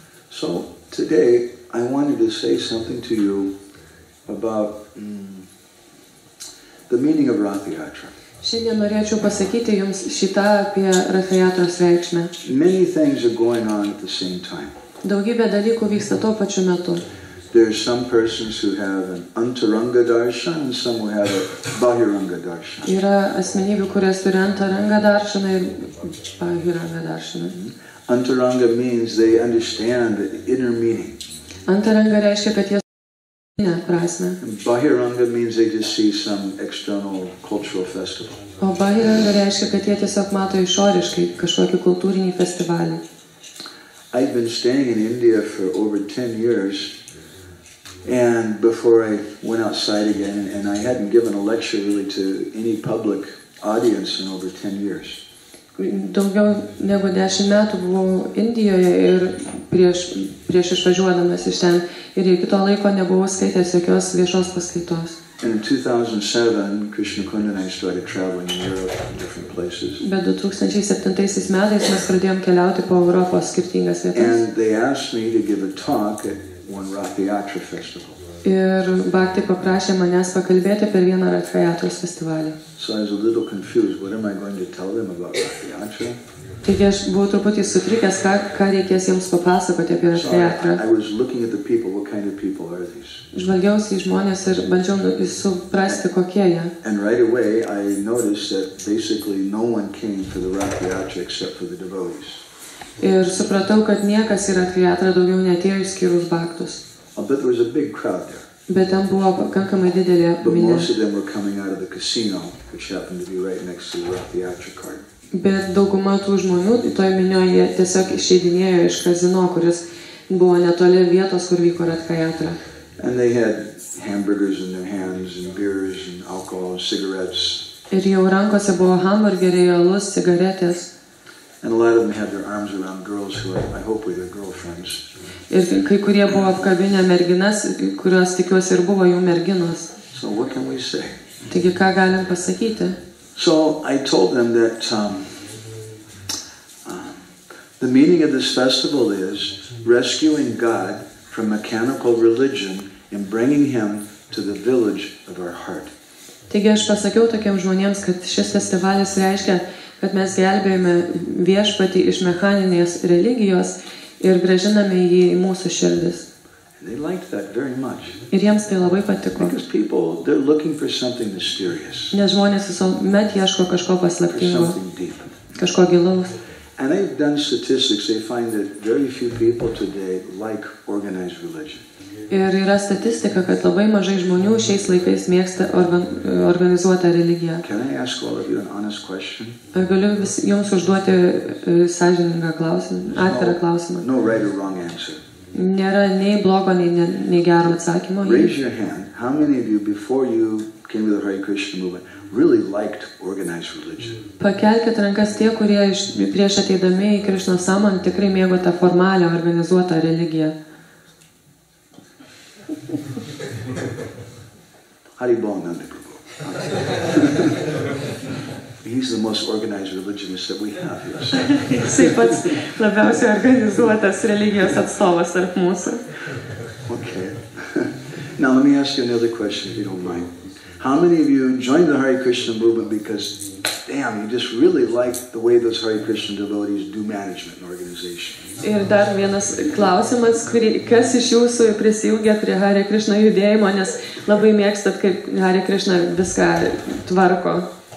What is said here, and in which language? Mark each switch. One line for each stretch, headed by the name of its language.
English: So, today I wanted to say something to you about the meaning of Ratha Yatra.
Lithuanian: Šiandien norėčiau pasakyti jums šitą apie Ratha Yatros reikšmę.
English: Many things are going on at the same time.
Lithuanian: Daugybė dalykų vyksta tuo pačiu metu.
English: There are some persons who have an antaranga darshan and some who have a bahiranga darshan.
Lithuanian: Yra asmenybių, kurios turi antaranga darshaną ir bahiranga darshaną.
English: Antaranga means they understand the inner meaning.
Lithuanian: Antaranga reiškia, kad jie Ne, prázdné.
English: Bahiranga means they just see some external cultural festival.
Lithuanian: O Bahiranga reiškia, kad jie tiesiog mato išoriškai kažkokį kultūrinį festivalį.
English: I've been staying in India for over 10 years. And before I went outside again, and I hadn't given a lecture really to any public audience in over 10 years.
Lithuanian: Daugiau negu 10 metų buvau Indijoje ir prieš išvažiuodamas iš ten. Ir iki to laiko nebuvau skaitęs jokios viešos paskaitos.
English: And in 2007, Krishna Kunda and I started traveling in Europe in different places.
Lithuanian: Bet 2007 metais mes pradėjom keliauti po Europos skirtingas vietas.
English: And they asked me to give a talk at one Rathiatra festival.
Lithuanian: Ir Bhakti paprašė manęs pakalbėti per vieną Rathiatros festivalį.
English: So I was a little confused. What am I going to tell them about Rathiatra?
Lithuanian: Taigi aš buvau truputį sutrikęs, ką reikės jiems papasakoti apie Rathiatrą.
English: I was looking at the people. What kind of people are these?
Lithuanian: Žvalgiausi į žmonės ir bandžiau suprasti, kokie jie.
English: And right away I noticed that basically no one came for the Rathiatra except for the devotees.
Lithuanian: Ir supratau, kad niekas į Rathiatrą daugiau neatėjo išskyrus bhaktus.
English: But there was a big crowd there.
Lithuanian: Bet ten buvo pakankamai didelė minia.
English: But most of them were coming out of the casino, which happened to be right next to the Rathiatra cart.
Lithuanian: Bet dauguma tų žmonių toje minioje tiesiog išeidinėjo iš kazino, kuris buvo netoli vietos, kur vyko Rathiatra.
English: And they had hamburgers in their hands and beers and alcohol and cigarettes.
Lithuanian: Ir jau rankose buvo hamburgeriai, alus, cigaretės.
English: And a lot of them had their arms around girls who I hope were their girlfriends.
Lithuanian: Ir kai kurie buvo apkabinę merginas, kurios tikiuosi ir buvo jų merginos.
English: So what can we say?
Lithuanian: Taigi ką galim pasakyti?
English: So I told them that the meaning of this festival is rescuing God from mechanical religion and bringing him to the village of our heart.
Lithuanian: Taigi aš pasakiau tokiems žmonėms, kad šis festivalis reiškia, kad mes gelbėjome viešpatį iš mechaninės religijos ir gražiname jį į mūsų širdis. Ir jiems tai labai patiko. Nes žmonės visuomet ieško kažko paslaptingo, kažko gilaus.
English: And they've done statistics, they find that very few people today like organized religion.
Lithuanian: Ir yra statistika, kad labai mažai žmonių šiais laikais mėgsta organizuotą religiją.
English: Can I ask all of you an honest question?
Lithuanian: Ar galiu jums užduoti sąžiningą klausimą, atvirą klausimą?
English: No right or wrong answer.
Lithuanian: Nėra nei blogo, nei gero atsakymo.
English: Raise your hand. How many of you, before you came to the Hare Krishna movement, really liked organized religion?
Lithuanian: Pakelkit rankas tie, kurie prieš ateidami į Krishna sąmonę tikrai mėgo tą formalią organizuotą religiją.
English: Hari Bol Nanda Prabhu. He's the most organized religionist that we have here.
Lithuanian: Jisai pats labiausiai organizuotas religijos atstovas tarp mūsų.
English: Okay. Now let me ask you another question, if you don't mind. How many of you joined the Hare Krishna movement because, damn, you just really like the way those Hare Krishna devotees do management and organization?
Lithuanian: Ir dar vienas klausimas, kas iš jūsų prisijungia prie Hare Krishna judėjimo, nes labai mėgstat, kaip Hare Krishna viską tvarko.